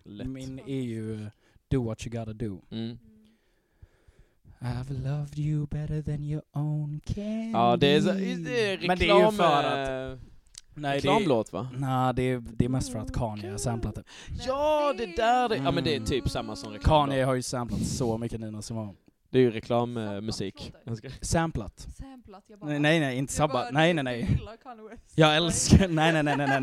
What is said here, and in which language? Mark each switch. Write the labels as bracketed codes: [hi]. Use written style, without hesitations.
[sv] Lätt. Min är ju Do What You Gotta Do. Mm. [en] I've loved you better than your own candy. [sv] Ja, det är reklam. Men det är ju för att... Nej, reklamlåt, va? Nej, det är mest för att Kanye har samplat det. Ja, det där det, ja, men det är typ samma som reklam. Kanye har ju samplat så mycket Nina Simone. Det är ju reklammusik. Samplat. Samplat, jag bara... Nej, inte sabba. Nej. Jag älskar... Nej.